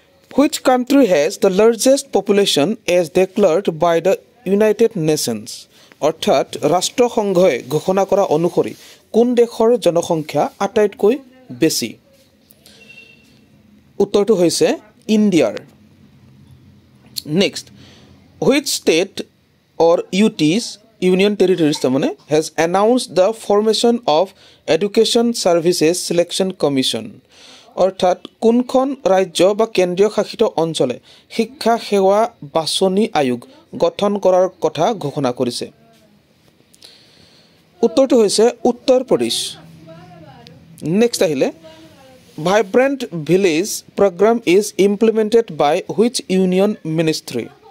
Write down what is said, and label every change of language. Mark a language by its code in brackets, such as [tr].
[en] Which country has the largest population as declared by the United Nations? [as] অর্থাৎ রাষ্ট্রসংঘয়ে ঘোষণা করা অনুসৰি কোন দেশৰ জনসংখ্যা আটাইতকৈ বেছি? উত্তৰটো হৈছে ইণ্ডিয়াৰ। [en] Next, which state or UTs, Union Territories, মানে has announced the formation of Education Services Selection Commission? [as] অর্থাৎ কোনখন ৰাজ্য বা কেন্দ্ৰীয় শাসিত অঞ্চলে শিক্ষা সেৱা বাছনি আয়োগ গঠন কৰাৰ কথা ঘোষণা কৰিছে? উত্তৰটো হৈছে উত্তৰ প্ৰদেশ। [en] Next আহিলে, vibrant village programme is implemented by which union ministry?